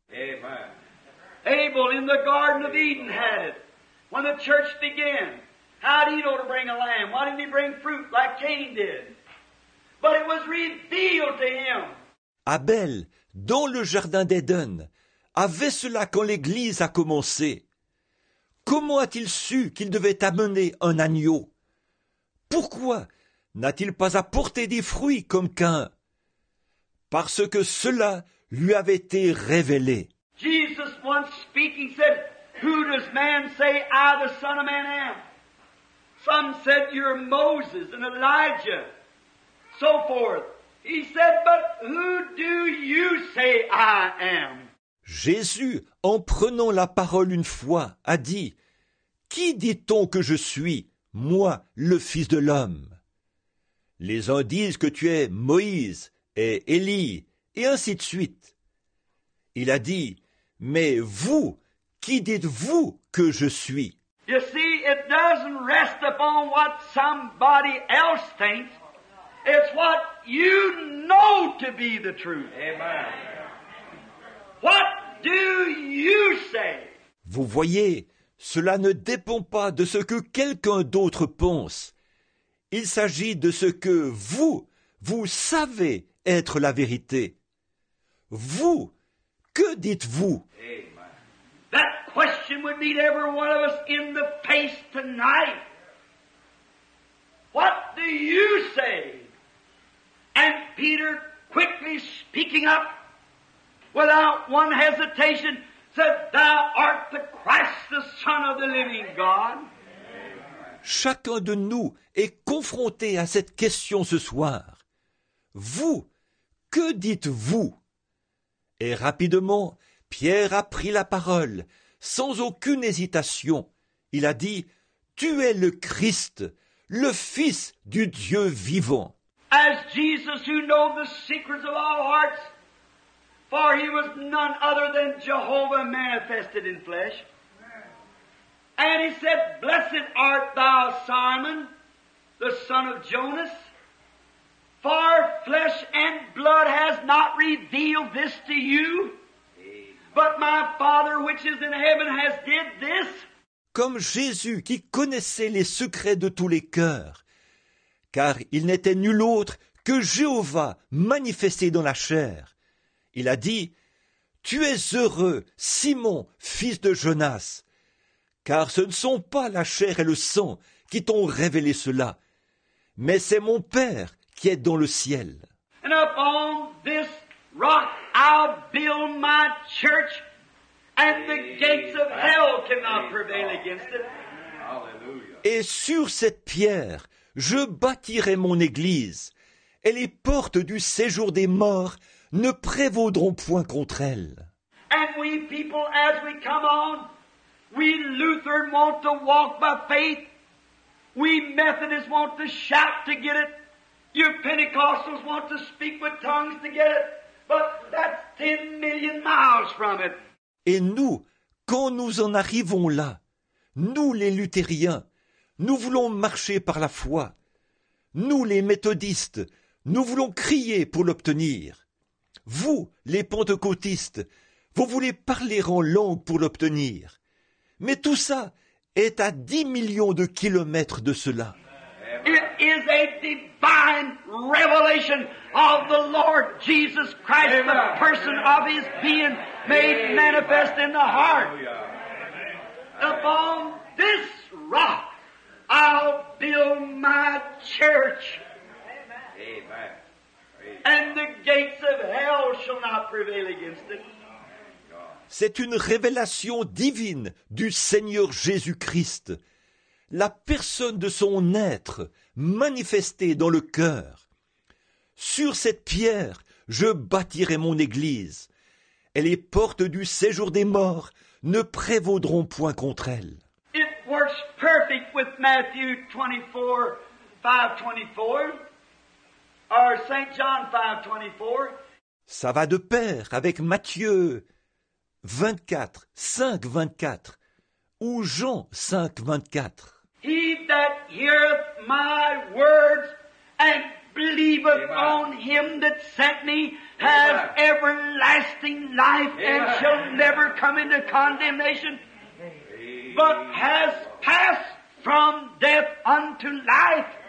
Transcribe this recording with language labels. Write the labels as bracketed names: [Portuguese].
[English] Amen. Abel in the Garden of Eden had it. When the church began, how did he know to bring a lamb? Why didn't he bring fruit like Cain did? But it was revealed to him. [French] Abel, dans le jardin d'Éden, avait cela quand l'Église a commencé. Comment a-t-il su qu'il devait amener un agneau? Pourquoi n'a-t-il pas apporté des fruits comme Cain? Parce que cela lui avait été révélé. [English] Jesus once speaking said, who does man say I the Son of Man am? Some said you're Moses and Elijah, so forth. He said, but who do you say I am? [French] Jésus, en prenant la parole une fois, a dit, qui dit-on que je suis, moi, le Fils de l'homme? Les uns disent que tu es Moïse et Élie, et ainsi de suite. Il a dit, mais vous, qui dites-vous que je suis? [English] You see, it doesn't rest upon what somebody else thinks. It's what you know to be the truth. Amen. What do you say? [French] Vous voyez, cela ne dépend pas de ce que quelqu'un d'autre pense. Il s'agit de ce que vous, vous savez être la vérité. Vous, que dites-vous? [English] Amen. That question would meet every one of us in the face tonight. What do you say? And Peter, quickly speaking up, without one hesitation, said, Thou art the Christ, the Son of the living God. [French] Chacun de nous est confronté à cette question ce soir. Vous, que dites-vous? Et rapidement, Pierre a pris la parole, sans aucune hésitation. Il a dit, Tu es le Christ, le Fils du Dieu vivant. [English] As Jesus who knows the secrets of all hearts, for he was none other than Jehovah manifested in flesh. And he said, Blessed art thou, Simon, the son of Jonas, for flesh and blood has not revealed this to you, but my Father which is in heaven has did this. [French] Comme Jésus qui connaissait les secrets de tous les cœurs, car il n'était nul autre que Jéhovah manifesté dans la chair. Il a dit, « Tu es heureux, Simon, fils de Jonas, car ce ne sont pas la chair et le sang qui t'ont révélé cela, mais c'est mon Père qui est dans le ciel. » [English] And upon this rock I'll build my church, and the gates of hell cannot prevail against it. [French] Et sur cette pierre, Je bâtirai mon église, et les portes du séjour des morts ne prévaudront point contre elle. [English] And we people, as we come on, we Lutherans want to walk by faith, we Methodists want to shout to get it, you Pentecostals want to speak with tongues to get it, but that's 10 million miles from it. [French] Et nous, quand nous en arrivons là, nous les luthériens, Nous voulons marcher par la foi. Nous, les méthodistes, nous voulons crier pour l'obtenir. Vous, les pentecôtistes, vous voulez parler en langue pour l'obtenir. Mais tout ça est à 10 millions de kilomètres de cela. [English] It is a divine revelation of the Lord Jesus Christ, the person of his being made manifest in the heart. Upon this rock, I'll build my church. Amen. Amen. And the gates of hell shall not prevail against it. [French] C'est une révélation divine du Seigneur Jésus-Christ, la personne de son être manifestée dans le cœur. Sur cette pierre, je bâtirai mon église, et les portes du séjour des morts ne prévaudront point contre elle. [English] It works perfect with Matthew 24:5-24, or Saint John 5:24. [French] Ça va de pair avec Matthieu 24:5-24, ou Jean 5:24. [English] He that heareth my words and believeth Amen. On him that sent me has Amen. Everlasting life Amen. And shall never come into condemnation. But has passed from death unto life.